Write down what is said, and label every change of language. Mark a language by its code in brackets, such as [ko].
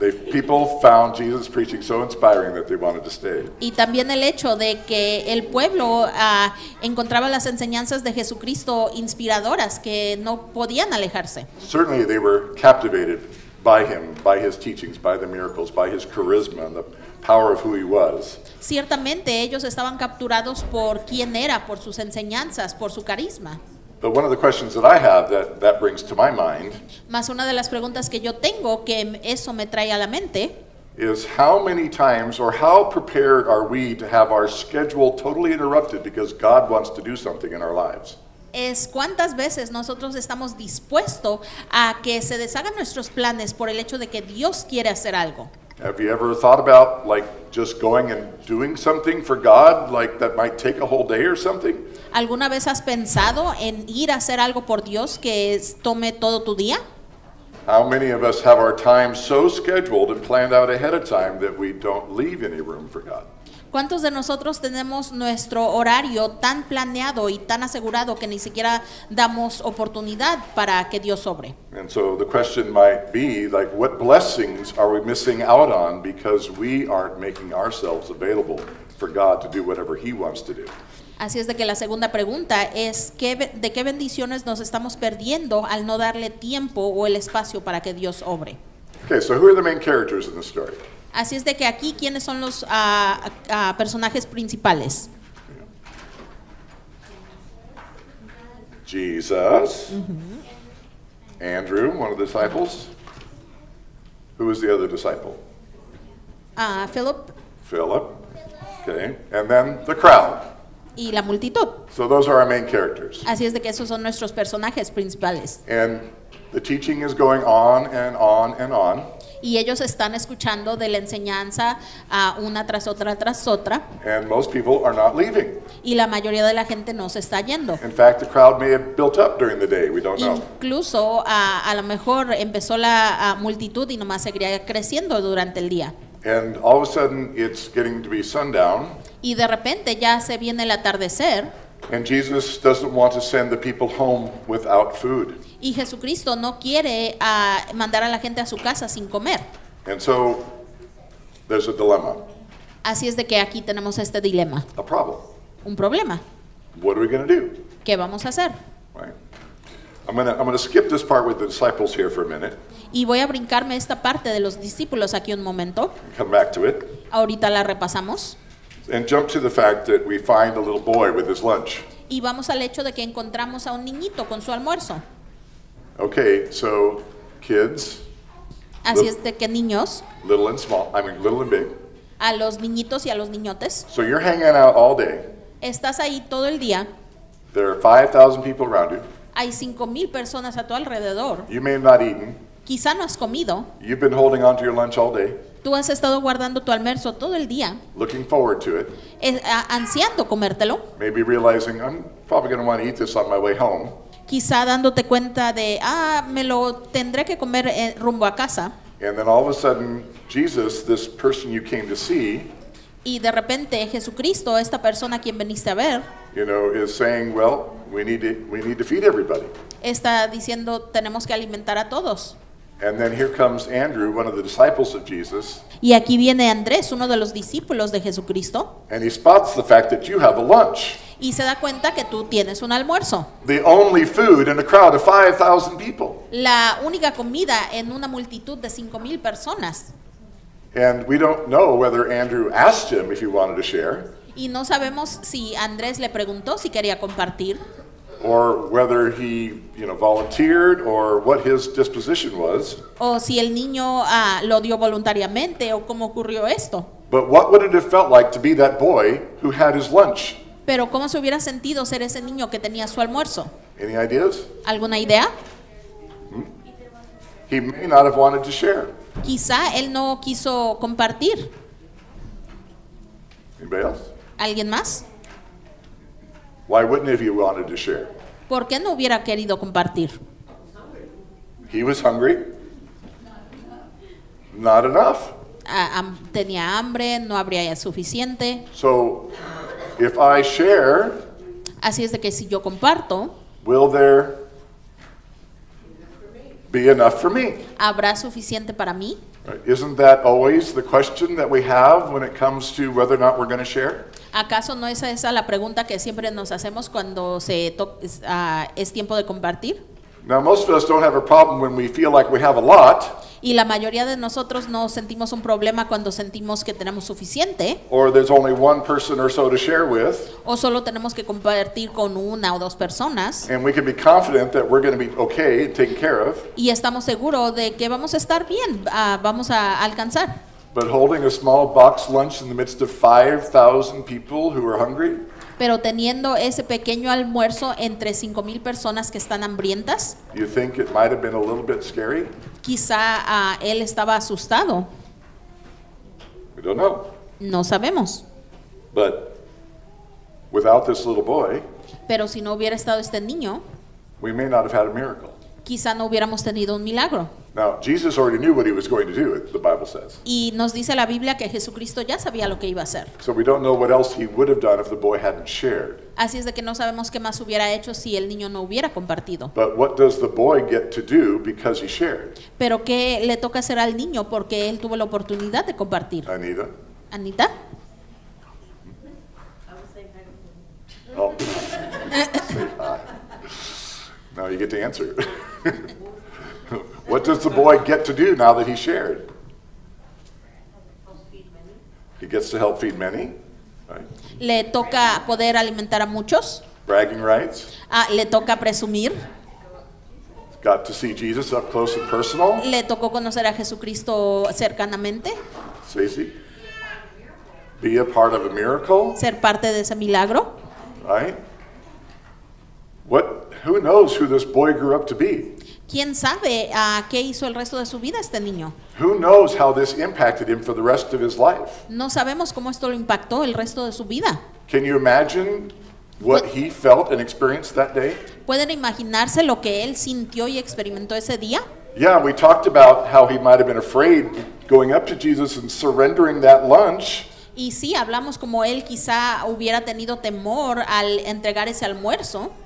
[en] People found Jesus preaching so inspiring that they wanted to stay. [es] Y también el hecho de que el pueblo encontraba las enseñanzas de Jesucristo inspiradoras que no podían alejarse. [en] Certainly they were captivated by him, by his teachings, by the miracles, by his charisma and the power of who he was. [es] Ciertamente ellos estaban capturados por quién era, por sus enseñanzas, por su carisma. [en] But one of the questions that I have that brings to my mind. [es] Más una de las preguntas que yo tengo que eso me trae a la mente. [en] Is how many times or how prepared are we to have our schedule totally interrupted because God wants to do something in our lives? [es] Es cuántas veces nosotros estamos dispuestos a que se deshagan nuestros planes por el hecho de que Dios quiere hacer algo. [en] Have you ever thought about like just going and doing something for God like that might take a whole day or something? [es] ¿Alguna vez has pensado en ir a hacer algo por Dios que tome todo tu día? [en] How many of us have our time so scheduled and planned out ahead of time that we don't leave any room for God? [es] ¿Cuántos de nosotros tenemos nuestro horario tan planeado y tan asegurado que ni siquiera damos oportunidad para que Dios obre? [en] And so the question might be, like, what blessings are we missing out on because we aren't making ourselves available for God to do whatever he wants to do? [es] Así es de que la segunda pregunta es, ¿de qué bendiciones nos estamos perdiendo al no darle tiempo o el espacio para que Dios obre? [en] Okay, so who are the main characters in the story? [es] Así es de que aquí, ¿quiénes son los personajes principales? [en] Jesus. Mm-hmm. Andrew, one of the disciples. Who was the other disciple? Philip. Philip. Okay, and then the crowd. [es] Y la multitud. [en] So those are our main characters. [es] Así es de que esos son nuestros personajes principales. [en] And the teaching is going on and on and on. [es] Y ellos están escuchando de la enseñanza una tras otra tras otra. [en] And most people are not leaving. [es] Y la mayoría de la gente no se está yendo. [en] In fact, the crowd may have built up during the day. We don't know. [es] Incluso a lo mejor empezó la multitud y nomás seguiría creciendo durante el día. [en] And all of a sudden, it's getting to be sundown. [es] Y de repente ya se viene el atardecer. [en] And Jesus doesn't want to send the people home without food. [es] Y Jesucristo no quiere mandar a la gente a su casa sin comer. [en] And so, there's a dilemma. [es] Así es de que aquí tenemos este dilema. [en] A problem. [es] Un problema. [en] What are we going to do? [es] ¿Qué vamos a hacer? [en] Right. I'm going to skip this part with the disciples here for a minute. [es] Y voy a brincarme esta parte de los discípulos aquí un momento. [en] Come back to it. [es] Ahorita la repasamos. [en] And jump to the fact that we find a little boy with his lunch. [es] Y vamos al hecho de que encontramos a un niñito con su almuerzo. [en] Okay, so kids. [es] Así little, es de que niños. [en] Little and small, I mean little and big. [es] A los niñitos y a los niñotes. [en] So you're hanging out all day. [es] Estás ahí todo el día. [en] There are 5,000 people around you. [es] Hay 5,000 personas a tu alrededor. [en] You may have not eaten. [es] Quizá no has comido. [en] You've been holding on to your lunch all day. [es] Tú has estado guardando tu almuerzo todo el día. [en] Looking forward to it. [es] Ansiando comértelo. [en] Maybe realizing I'm probably going to want to eat this on my way home. [es] Quizá dándote cuenta de, me lo tendré que comer rumbo a casa. [en] And then all of a sudden, Jesus, this person you came to see. [es] Y de repente, Jesucristo, esta persona a quien veniste a ver. [en] You know, is saying, well, we need to feed everybody. [es] Está diciendo, tenemos que alimentar a todos. [en] And then here comes Andrew, one of the disciples of Jesus. [es] Y aquí viene Andrés, uno de los discípulos de Jesucristo. [en] And he spots the fact that you have a lunch. [es] Y se da cuenta que tú tienes un almuerzo. [en] The only food in a crowd of 5,000 people. [es] La única comida en una multitud de 5,000 personas. [en] And we don't know whether Andrew asked him if he wanted to share. [es] Y no sabemos si Andrés le preguntó si quería compartir. [en] Or whether he, you know, volunteered, or what his disposition was. [es] O si el niño lo dio voluntariamente, o cómo ocurrió esto. [en] But what would it have felt like to be that boy who had his lunch? [es] Pero cómo se hubiera sentido ser ese niño que tenía su almuerzo. [en] Any ideas? [es] ¿Alguna idea? [en] He may not have wanted to share. [es] Quizá él no quiso compartir. [en] Anybody else? [es] ¿Alguien más? [en] Why wouldn't he have wanted to share? [es] ¿Por qué no hubiera querido compartir? [en] He was hungry. Not enough. [es] Tenía hambre, no habría suficiente. [en] So, if I share, [es] así es de que si yo comparto, [en] will there be enough for me? [es] ¿Habrá suficiente para mí? [en] Isn't that always the question that we have when it comes to whether or not we're going to share? [es] ¿Acaso no es esa la pregunta que siempre nos hacemos cuando es tiempo de compartir? [en] Now most of us don't have a problem when we feel like we have a lot. [es] Y la mayoría de nosotros no sentimos un problema cuando sentimos que tenemos suficiente. [en] Or there's only one person or so to share with. [es] O solo tenemos que compartir con una o dos personas. [en] And we can be confident that we're going to be okay and taken care of. [es] Y estamos seguros de que vamos a estar bien, vamos a alcanzar. [en] But holding a small box lunch in the midst of 5,000 people who are hungry? [es] Pero teniendo ese pequeño almuerzo entre 5,000 personas que están hambrientas? [en] You think it might have been a little bit scary? [es] Quizá él estaba asustado. [en] We don't know. [es] No sabemos. [en] But without this little boy, [es] pero si no hubiera estado este niño, [en] we may not have had a miracle. [es] Quizá no hubiéramos tenido un milagro. [en] Now, Jesus already knew what he was going to do, the Bible says. [es] Y nos dice la Biblia que Jesucristo ya sabía lo que iba a hacer. [en] So we don't know what else he would have done if the boy hadn't shared. [es] Así es de que no sabemos qué más hubiera hecho si el niño no hubiera compartido. [en] But what does the boy get to do because he shared? [es] Pero qué le toca hacer al niño porque él tuvo la oportunidad de compartir. [en] Anita. [es] Anita. [en] Now you get to answer. What does the boy get to do now that he shared? He gets to help feed many. Right. [es] Le toca poder alimentar a muchos. [en] Bragging rights. [es] Le toca presumir. [en] Got to see Jesus up close and personal. [es] Le tocó conocer a Jesucristo cercanamente. [en] Stacy. be a part of a miracle? [es] Ser parte de ese milagro? [en] Right? What? Who knows who this boy grew up to be? [es] ¿Quién sabe qué hizo el resto de su vida este niño? [en] Who knows how this impacted him for the rest of his life? [es] No sabemos cómo esto lo impactó el resto de su vida. [en] Can you imagine what he felt and experienced that day? [es] ¿Pueden imaginarse lo que él sintió y experimentó ese día? [en] Yeah, we talked about how he might have been afraid going up to Jesus and surrendering that lunch. [es] Y sí, hablamos como él quizá hubiera tenido temor al entregar ese almuerzo.